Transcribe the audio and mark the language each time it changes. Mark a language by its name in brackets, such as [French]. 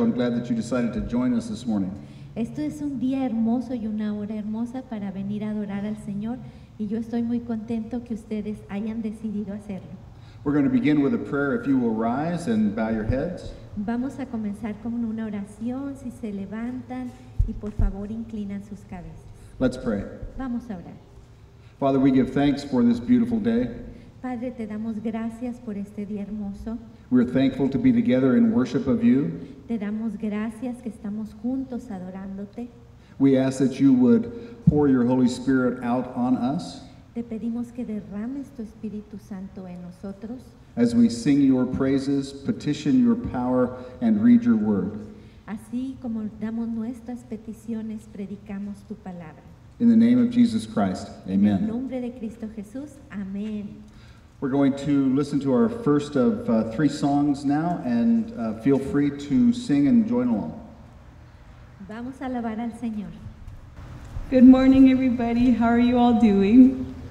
[English] I'm glad that you decided to join us this morning. [Spanish] Esto es un día hermoso y una hora hermosa para venir a adorar al Señor, y yo estoy muy contento que ustedes hayan decidido hacerlo. [English] We're going to begin with a prayer. If you will rise and bow your heads. [Spanish] Vamos a comenzar con una oración. Si se levantan y por favor inclinan sus cabezas. [English] Let's pray. [Spanish] Vamos a orar. [English] Father, we give thanks for this beautiful day. [Spanish] Padre, te damos gracias por este día hermoso. [English] We're thankful to be together in worship of you. [Spanish] Te damos gracias que estamos juntos adorándote. [English] We ask that you would pour your Holy Spirit out on us. [Spanish] Te pedimos que derrames tu Espíritu Santo en nosotros. [English] As we sing your praises, petition your power, and read your word. [Spanish] Así como damos nuestras peticiones, predicamos tu palabra. [English] In the name of Jesus Christ, amen. [Spanish] En el nombre de Cristo Jesús, amén. [English] We're going to listen to our first of three songs now, and feel free to sing and join along. [Spanish] Vamos a alabar al Señor. [English] Good morning, everybody. How are you all doing?